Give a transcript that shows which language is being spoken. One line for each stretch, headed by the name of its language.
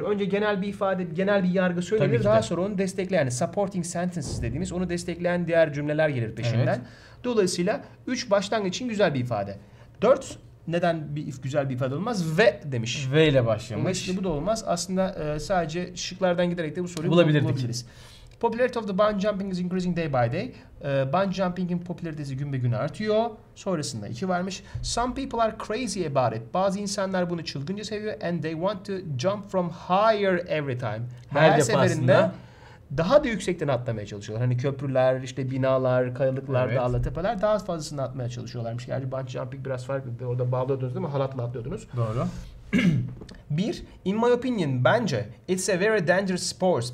Turkish: Önce genel bir ifade, genel bir yargı söylenir. Daha sonra onu destekleyen, yani supporting sentences dediğimiz, onu destekleyen diğer cümleler gelir peşinden. Evet. Dolayısıyla 3 başlangıç için güzel bir ifade. 4 neden bir güzel bir ifade olmaz? Ve demiş. Ve ile başlamış. Bu da olmaz. Aslında sadece şıklardan giderek de bu soruyu bulabilirdik.
English: Popularity of the bungee jumping is increasing day by day.
Turkish: Bungee jumping'in popülaritesi gün be gün artıyor. Sonrasında 2 varmış.
English: Some people are crazy about it.
Turkish: Bazı insanlar bunu çılgınca seviyor.
English: And they want to jump from higher every time.
Turkish: Her seferinde daha da yüksekten atlamaya çalışıyorlar. Hani köprüler, işte binalar, kayalıklar, evet, dağlar, tepeler daha fazlasını atmaya çalışıyorlarmış. Gerçi bungee jumping biraz farklı. Orada bağlıyordunuz değil mi? Halatla atlıyordunuz. Doğru. Bir,
English: in my opinion,
Turkish: bence
English: it's a very dangerous sport.